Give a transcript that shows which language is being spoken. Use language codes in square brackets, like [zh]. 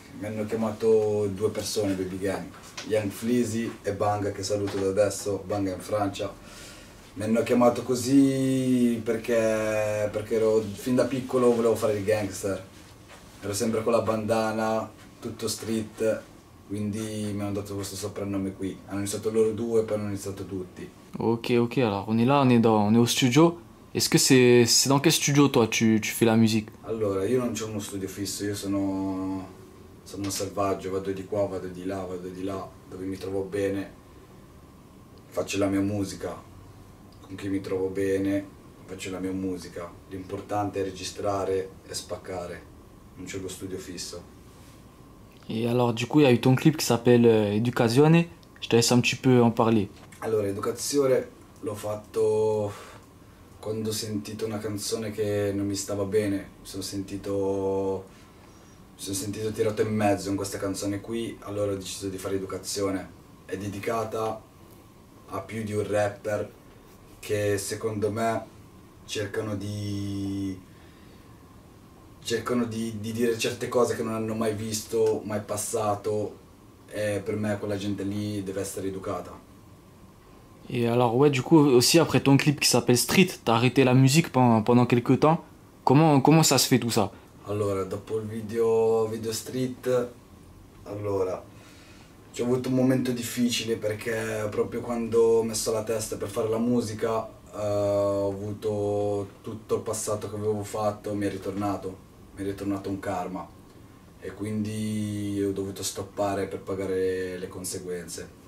[it] Mi hanno chiamato due persone Baby Gang, Young Fleazy e Bang, che saluto da adesso, Bang è in Francia. Mi hanno chiamato così perché ero fin da piccolo volevo fare il gangster. Ero sempre con la bandana, tutto street, quindi mi hanno dato questo soprannome qui. Hanno iniziato loro due, poi hanno iniziato tutti. Ok, ok, allora, [fr] on est là, on est au studio. Est-ce que c'est dans quel studio, toi, tu fais la musique? [it] Allora, io non c'ho uno studio fisso, io sono un selvaggio, vado di qua, vado di là, dove mi trovo bene, faccio la mia musica, con chi mi trovo bene, faccio la mia musica. L'importante è registrare e spaccare. Non c'è lo studio fisso. E allora, [fr] du coup, il y a eu ton clip qui s'appelle Educazione. Je te laisse un petit peu en parler. [it] Allora, Educazione l'ho fatto quando ho sentito una canzone che non mi stava bene. Mi sono sentito tirato in mezzo in questa canzone qui. Allora ho deciso di fare Educazione. È dedicata a più di un rapper che secondo me cercano di dire certe cose che non hanno mai visto, mai passato, e per me quella gente lì deve essere educata. E allora, [fr] ouais, du coup, aussi après ton clip qui s'appelle Street, t'as arrêté la musique pendant quelques temps. Comment ça se fait tout ça? [it] Allora, dopo il video Street, allora, ci ho avuto un momento difficile perché proprio quando ho messo la testa per fare la musica, ho avuto tutto il passato che avevo fatto, mi è ritornato un karma e quindi ho dovuto stoppare per pagare le conseguenze.